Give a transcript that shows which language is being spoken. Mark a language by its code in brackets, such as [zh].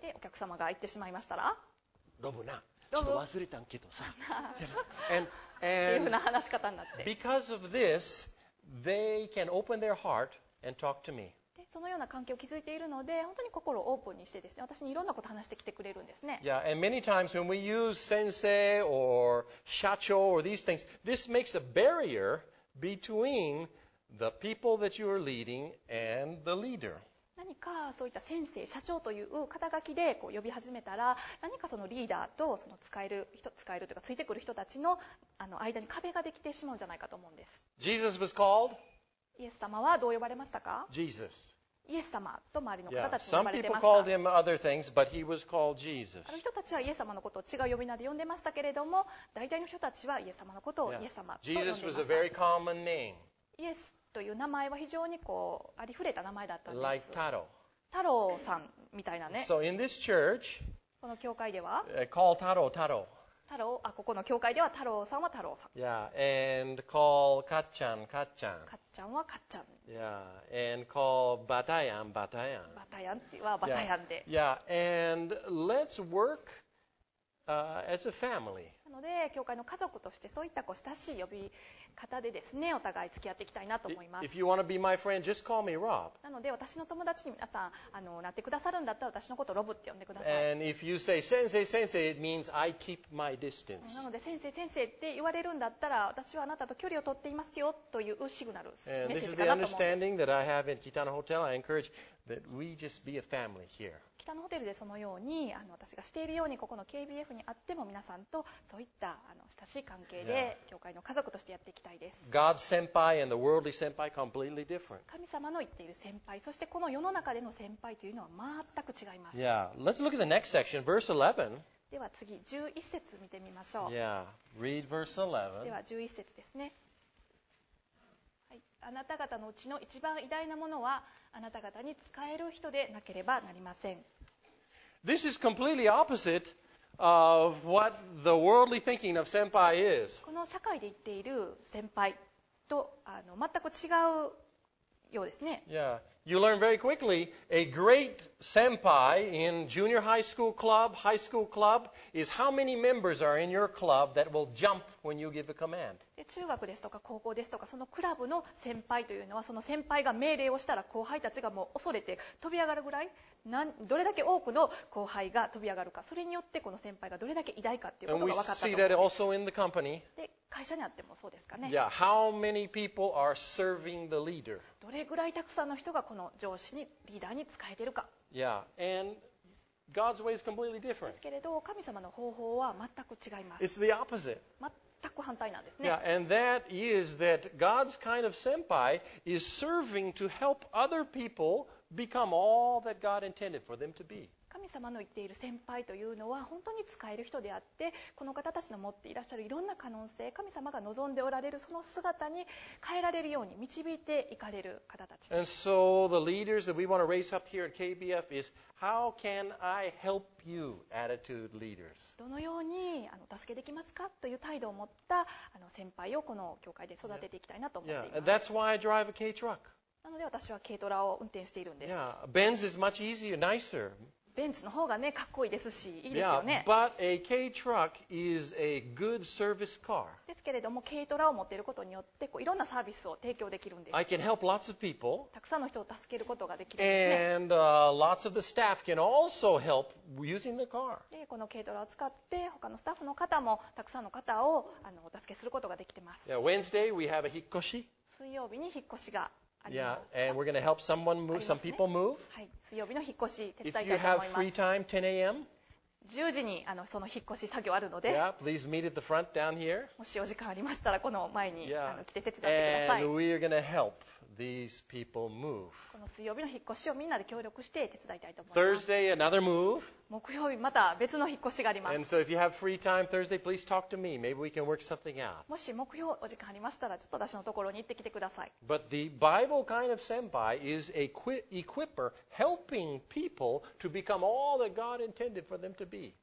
[ja] で、お客様が行ってしまいましたら、ロブな、ちょっと忘れたんけどさ。っていうふうな話し方になって。 [en] Because of this, they can open their heart and talk to me. [ja] そのような関係を築いているので、本当に心をオープンにしてですね、私にいろんなことを話してきてくれるんですね。 [en] Yeah, and many times when we use sensei or shacho or these things, this makes a barrier between the people that you are leading and the leader. [ja] 何かそういった先生、社長という肩書きでこう呼び始めたら、何かそのリーダーとその使えるというかついてくる人たち の間に壁ができてしまうんじゃないかと思うんです。 [en] Jesus was called? [ja] イエス様はどう呼ばれましたか [en] Jesus. [ja] イエス様と周りの方たちに呼ばれてました。Yeah. [en] Some people called him other things, but he was called Jesus. [ja] あの人たちはイエス様のことを違う呼び名で呼んでましたけれども、大体の人たちはイエス様のことをイエス様と呼んでました。 [en] Jesus was a very common name. [ja] イエスという名前は非常にこうありふれた名前だったんです。 [en] Like Taro. [ja] タロさんみたいなね。 [en] So in this church, [ja] この教会では、 [en] call Taro, Taro. [ja] 太郎あここの教会では太郎さんは太郎さん。 [en] Yeah, and call かっちゃん、かっちゃん。 [ja] かっちゃんはかっちゃん。 [en] Yeah, and call バタヤン、バタヤン。 [ja] バタヤンはバタヤンで。 [en] Yeah, yeah. and let's work, as a family. [ja] なので、教会の家族としてそういったこう親しい呼び方でですね、お互い付き合っていきたいなと思います。 [en] If you want to be my friend, just call me Rob. [ja] なので、私の友達に皆さん、なってくださるんだったら、私のことをロブって呼んでください。 [en] And if you say, [ja] 先生、先生, [en] it means I keep my distance. [ja] なので、先生、先生って言われるんだったら、私はあなたと距離を取っていますよ、というシグナル、メッセージかなと思うんです。 [en] And this is the understanding that I have in Kitano Hotel. I encourage that we just be a family here. [ja] 北のホテルでそのように私がしているようにここの KBF にあっても皆さんとそういった親しい関係で教会の家族としてやっていきたいです。 [en] God's senpai and the worldly senpai completely different. [ja] 神様の言っている先輩そしてこの世の中での先輩というのは全く違います。 [en] Yeah. Let's look at the next section, verse 11. [ja] では次11節見てみましょう。 [en] Yeah. Read verse 11. [ja] では11節ですね。はい、あなた方のうちの一番偉大なものはあなた方に使える人でなければなりません。 [en] This is completely opposite of what the worldly thinking of senpai is. [ja] この社会で言っている先輩と全く違うようですね。 [en] Yeah. You learn very quickly a great senpai in junior high school club, high school club is how many members are in your club that will jump when you give a command. [ja] で、中学ですとか高校ですとかそのクラブの先輩というのはその先輩が命令をしたら後輩たちがもう恐れて飛び上がるぐらい、どれだけ多くの後輩が飛び上がるか、それによってこの先輩がどれだけ偉大かっていうことが分かったと思います。 [en] And we see that also in the company. [ja] で、会社にあってもそうですかね。 [en] Yeah, how many people are serving the leader? [ja] どれぐらいたくさんの人がこの上司にリーダーに使えているか。 [en] Yeah, and God's way is completely different. [ja] ですけれど、神様の方法は全く違います。 [en] It's the opposite. [ja] 全く反対なんですね。 [en] Yeah, and that is that God's kind of senpai is serving to help other people become all that God intended for them to be. [ja] 神様の言っている先輩というのは本当に使える人であって、この方たちの持っていらっしゃるいろんな可能性、神様が望んでおられるその姿に変えられるように導いていかれる方たちです。 [en] And so the leaders that we want to raise up here at KBF is how can I help you, attitude leaders? [ja] どのように助けできますかという態度を持った先輩をこの教会で育てていきたいなと思っています。 [en] Yeah. That's why I drive a K truck. [ja] なので私は軽トラを運転しているんです。 [en] Yeah. Benz is much easier, nicer. [ja] ベンツの方がね、かっこいいですし、いいですよね。 [en] Yeah, but a K truck is a good service car. [ja] ですけれども、軽トラを持っていることによって、こういろんなサービスを提供できるんです。 [en] I can help lots of people. [ja] たくさんの人を助けることができるんですね。 [en] And lots of the staff can also help using the car. [ja] で、この軽トラを使って、他のスタッフの方もたくさんの方をお助けすることができてます。 [en] Yeah, Wednesday we have a 引っ越し。 [ja] 水曜日に引っ越しが。 [en] Yeah, and we're going to help someone move, some people move. [ja] はい、水曜日の引っ越し手伝いたいと思います。 [en] If you have free time, 10 a.m. [ja] 10時にその引っ越し作業あるので、 [en] yeah, please meet at the front down here. [ja] もしお時間ありましたらこの前に、 [en] yeah. [ja] 来て手伝ってください。 [en] And we are going to help these people move. [ja] この水曜日の引っ越しをみんなで協力して手伝いたいと思います。 [en] Thursday, another move. [ja] 木曜日また別の引っ越しがあります。 [en] And so if you have free time Thursday, please talk to me. Maybe we can work something out. [ja] もし木曜お時間ありましたらちょっと私のところに行ってきてください。 [en] But the Bible kind of senpai is a equipper helping people to become all that God intended for them to be.